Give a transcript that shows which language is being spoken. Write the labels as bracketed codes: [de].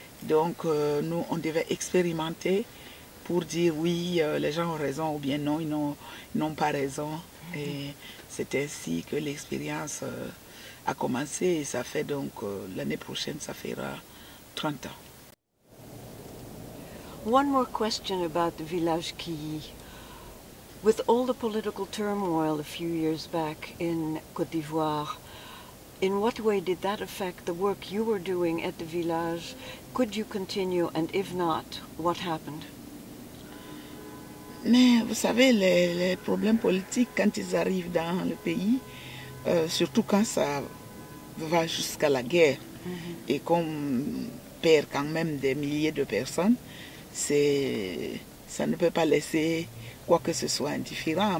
[fr] Donc, nous, on devait expérimenter pour dire oui, les gens ont raison, ou bien non, ils n'ont pas raison. Mm-hmm. Et c'est ainsi que l'expérience a commencé, et ça fait donc, l'année prochaine, ça fera 30 ans. [en] One more question about the village qui. With all the political turmoil a few years back in Côte d'Ivoire, in what way did that affect the work you were doing at the village? Could you continue, and if not, what happened? [fr] Mais vous savez, les problèmes politiques, quand ils arrivent dans le pays, surtout quand ça va jusqu'à la guerre, mm-hmm. et qu'on perd quand même des milliers de personnes, ça ne peut pas laisser quoi que ce soit indifférent.